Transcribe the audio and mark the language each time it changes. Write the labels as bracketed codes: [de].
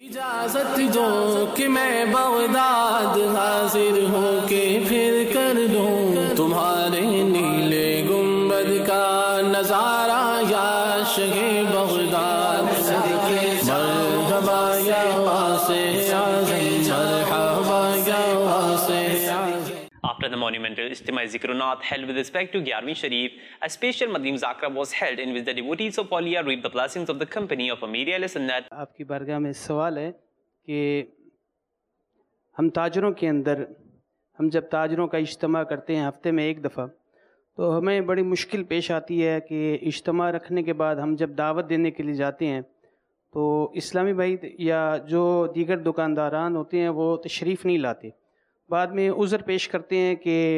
[ur] اجازت جو کہ میں بغداد حاضر ہو کے پھر کر دوں تمہارے نیلے گنبد کا نظارہ، یا شہ بغداد مرحبا یا واسے اعظم مرحبا یا واسے اعظم۔ [en] After the monumental istima zikrunat held with respect to Gyarvi Sharif, a special Madni Muzakara was held in which the devotees of Auliya reaped the blessings of the company of Amiri Ahle Sunnat. [ur] آپ کی بارگاہ میں سوال ہے کہ ہم تاجروں کے اندر، ہم جب تاجروں کا اجتماع کرتے ہیں ہفتے میں ایک دفعہ، تو ہمیں بڑی مشکل پیش آتی ہے کہ اجتماع رکھنے کے بعد ہم جب دعوت دینے کے لیے جاتے ہیں تو اسلامی بھائی یا جو دیگر دکانداران ہوتے ہیں وہ تشریف نہیں لاتے، بعد میں عذر پیش کرتے ہیں کہ